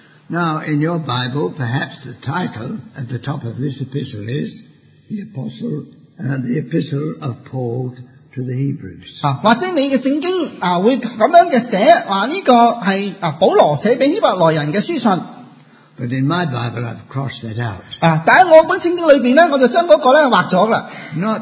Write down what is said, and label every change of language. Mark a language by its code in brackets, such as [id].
[en] Now, in your Bible, perhaps the title at the top of this epistle is The Apostle the epistle of Paul to the Hebrews. [zh] 或者你的圣经会这样写，这个是保罗写给希伯来人的书信。 [en] But in my Bible, I've crossed that out. [zh] 但在我本圣经里面，我就将那个划了。Not